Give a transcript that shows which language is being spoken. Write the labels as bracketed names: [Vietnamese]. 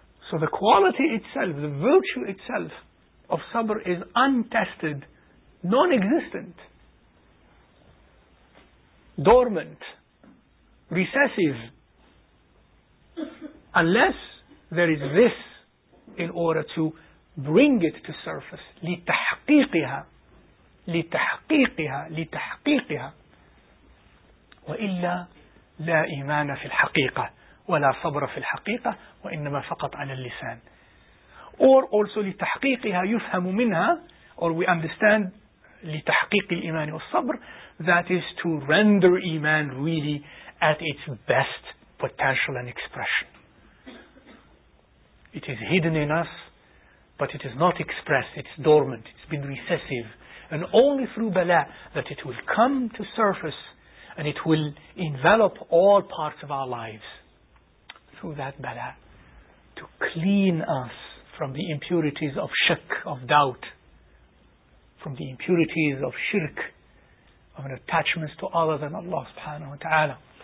[English] So the quality itself, the virtue itself of sabr is untested, non-existent, dormant, recessive, unless there is this in order to bring it to surface. [Arabic] لتحقيقها لتحقيقها لتحقيقها وإلا لا إيمان في الحقيقة ولا صبر في الحقيقة وإنما فقط على اللسان. [English] Or also [Arabic] لتحقيقها يفهم منها, [English] or we understand [Arabic] لتحقيق الإيمان والصبر, [English] that is to render iman really at its best potential and expression. It is hidden in us, but it is not expressed, it's dormant, it's been recessive, and only through bala that it will come to surface and it will envelop all parts of our lives through that bala, to clean us from the impurities of shirk, of doubt, from the impurities of shirk, of an attachment to other than Allah subhanahu wa ta'ala,